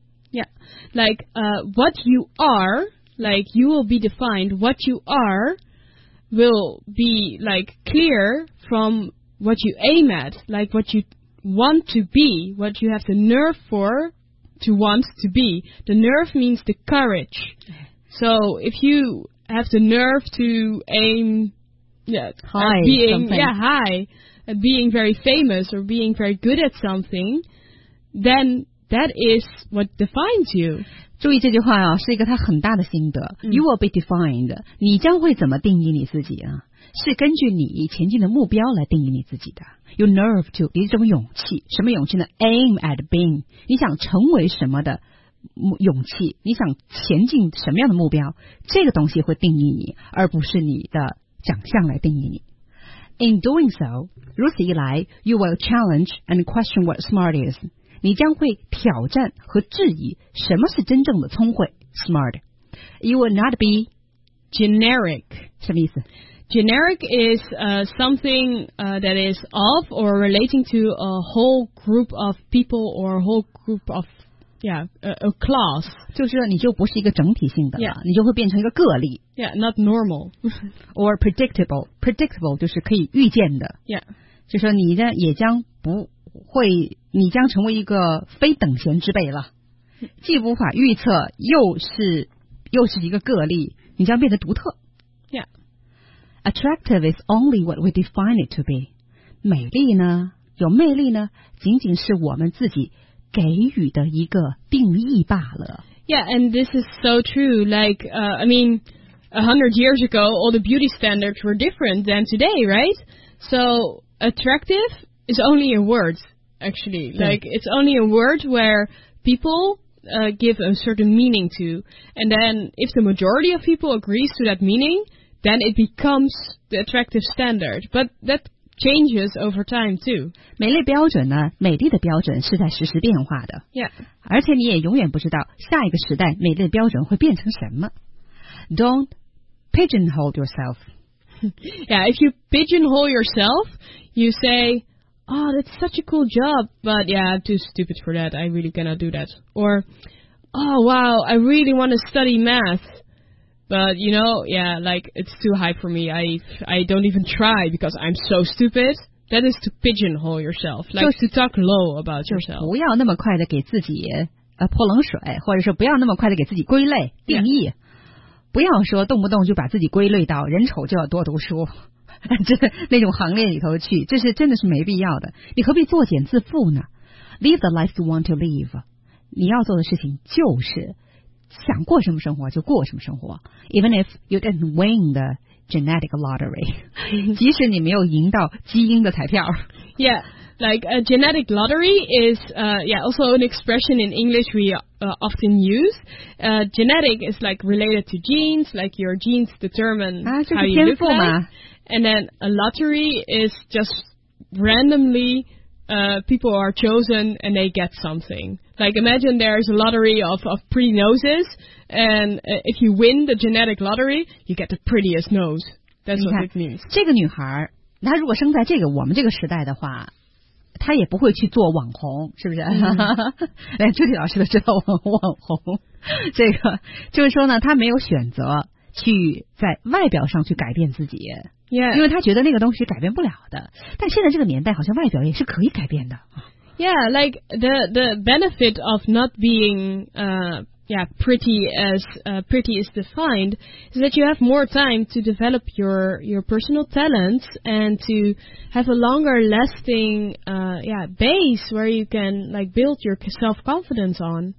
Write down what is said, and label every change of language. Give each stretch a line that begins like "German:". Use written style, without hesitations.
English: Yeah, like what you are, like you will be defined what you are will be like clear from what you aim at, like what you want to be, what you have the nerve for to want to be. The nerve means the courage. So if you have the nerve to aim high at being very famous or being very good at something, then that is what defines you.
Chinese: 注意这句话啊，是一个他很大的心得。
English: You will be defined.
Chinese: 你将会怎么定义你自己啊？是根据你前进的目标来定义你自己的。
English: Your nerve to
Chinese: 一种勇气，什么勇气呢 ？
English: Aim at being.
Chinese: 你想成为什么的勇气？你想前进什么样的目标？这个东西会定义你，而不是你的长相来定义你。
English: In doing so,
Chinese: 如此一来
English: ，you will challenge and question what smart is.
Chinese: 你将会挑战和质疑什么是真正的聪慧 smart.
English: You will not be generic.
Chinese: 什么意思
English: Generic is something that is of or relating to a whole group of people or a whole group of a class.
Chinese: 就是你就不是一个整体性的了、
English: yeah.
Chinese: 你就会变成一个个例
English: Yeah, not normal. or predictable. Predictable
Chinese: 就是可以预见的
English: Yeah.
Chinese: 就说你也将不会你将成为一个非等闲之辈了，既无法预测，又是一个个例，你将变得独特。
English: Yeah. Attractive is only what we define it to be.
Chinese: 美丽呢，有魅力呢，仅仅是我们自己给予的一个定义罢了。
English: Yeah, and this is so true. Like, a 100 years ago, all the beauty standards were different than today, right? So, attractive is only a word. Actually, like, it's only a word where people give a certain meaning to. And then if the majority of people agrees to that meaning, then it becomes the attractive standard. But that changes over time, too.
Chinese: 美丽标准呢，美丽的标准是在实时变化的。
English: Yeah.
Chinese: 而且你也永远不知道下一个时代美丽的标准会变成什么。
English: Don't pigeonhole yourself. Yeah, if you pigeonhole yourself, you say... Oh, that's such a cool job, but yeah, I'm too stupid for that. I really cannot do that. Or, oh, wow, I really want to study math. But, you know, yeah, like, it's too high for me. I don't even try because I'm so stupid. That is to pigeonhole yourself. Like, to talk low about yourself.
Chinese: 不要那么快的给自己泼冷水，或者说不要那么快的给自己归类、定义。
English: Yeah.
Chinese: 不要说动不动就把自己归类到人丑就要多读书。那种行列里头去，这是真的是没必要的。你何必作茧自缚呢 ？
English: Live the life you want to live。
Chinese: 你要做的事情就是想过什么生活就过什么生活。
English: Even if you didn't win the genetic lottery，
Chinese: 即使你没有赢到基因的彩票。
English: Yeah, like a genetic lottery is also an expression in English we often use. Genetic is like related to genes, like your genes determine how you look like. And then a lottery is just randomly people are chosen and they get something. Like imagine there's a lottery of pretty noses and if you win the genetic lottery, you get the prettiest nose. That's what it means.
Chinese: 这个女孩她如果生在这个我们这个时代的话她也不会去做网红是不是、
English: mm-hmm.
Chinese: 连朱迪老师都知道网红。这个就是说呢她没有选择去在外表上去改变自己。
English: Yeah.
Chinese: 因为他觉得那个东西改变不了的，但现在这个年代好像外表也是可以改变的。
English: Yeah, like the benefit of not being pretty as pretty is defined is that you have more time to develop your personal talents and to have a longer lasting base where you can like build your self confidence on.